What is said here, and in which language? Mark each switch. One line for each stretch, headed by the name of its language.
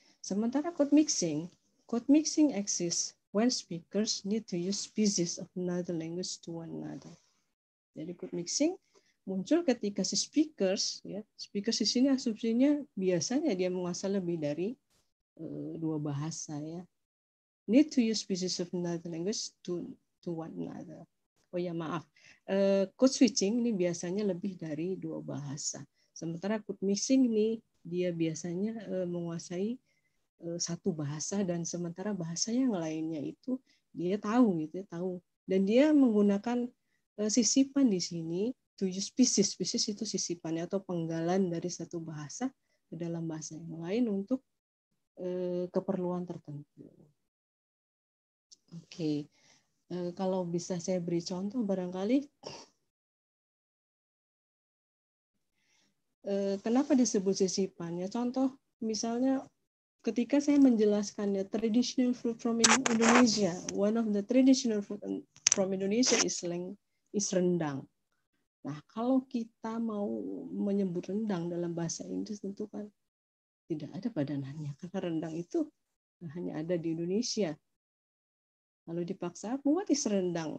Indonesian: Sementara
English: code mixing exists when speakers need to use pieces of another language to one another.
Indonesian: Jadi code mixing muncul ketika si speakers, ya, speakers di sini asumsinya biasanya dia menguasai lebih dari dua bahasa, ya.
English: Need to use pieces of another language to one another.
Indonesian: Oh ya, maaf. Code switching ini biasanya lebih dari dua bahasa. Sementara code mixing ini dia biasanya menguasai satu bahasa, dan sementara bahasa yang lainnya itu dia tahu gitu, tahu. Dan dia menggunakan sisipan di sini,
English: to use pieces.
Indonesian: Pieces itu sisipannya atau penggalan dari satu bahasa ke dalam bahasa yang lain untuk keperluan tertentu. Oke. Kalau bisa saya beri contoh barangkali. Kenapa disebut sisipannya? Contoh misalnya ketika saya menjelaskannya,
English: traditional food from Indonesia, one of the traditional food from Indonesia is rendang.
Indonesian: Nah, kalau kita mau menyebut rendang dalam bahasa Inggris, tentu kan tidak ada padanannya, karena rendang itu hanya ada di Indonesia. Lalu dipaksa,
English: what is rendang?